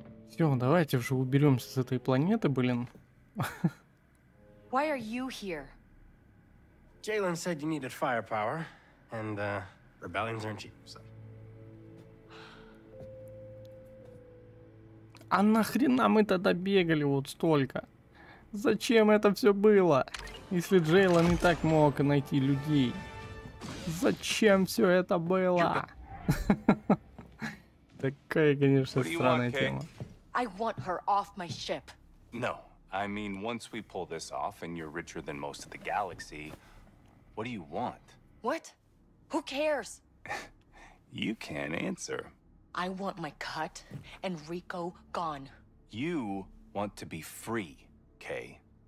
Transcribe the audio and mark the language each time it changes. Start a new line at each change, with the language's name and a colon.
Russian: Все, давайте уже уберемся с этой планеты, блин.
English: Why are you here? Jalen said you needed firepower, and rebellions aren't cheap, so.
Russian: А нахрена мы тогда бегали вот столько? Зачем это все было? Если Джейлон и так мог найти людей. Зачем все это было? Такая, конечно, странная тема.
English: I want her off my ship. No, I mean, once we pull this off and you're richer than most of the galaxy, what do you want? What? Who cares? You can't answer. I want my cut and Rico gone. You want to be free, Kay.